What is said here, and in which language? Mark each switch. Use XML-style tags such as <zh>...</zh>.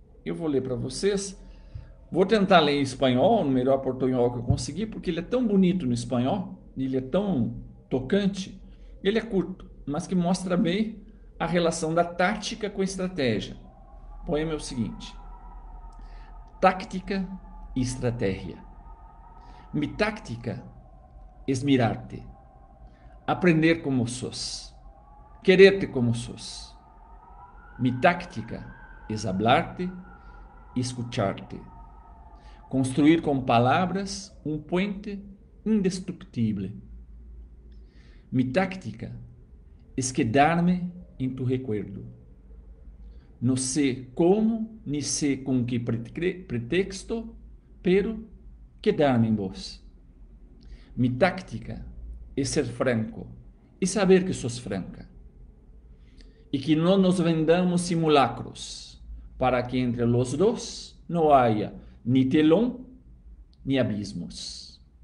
<pt>Eu vou ler para vocês, vou tentar ler em espanhol, no melhor portunhol que eu conseguir, porque ele é tão bonito no espanhol, ele é tão tocante, ele é curto, mas que mostra bem a relação da tática com a estratégia. O poema é o seguinte: Táctica e estratégia.</pt> <es>Mi táctica es mirarte, aprender como sos, quererte como sos. Mi táctica es hablarte y escucharte.</es> <pt>Construir com palavras um puente indestructible.</pt> <es>Mi táctica es quedarme en tu recuerdo.</es> <pt>Não sei como, nem sei com que pretexto, pero quedarme em vos. Mi táctica é ser franco e saber que sos franca. E que não nos vendamos simulacros, para que entre los dos não haya ni telón ni abismos.</pt>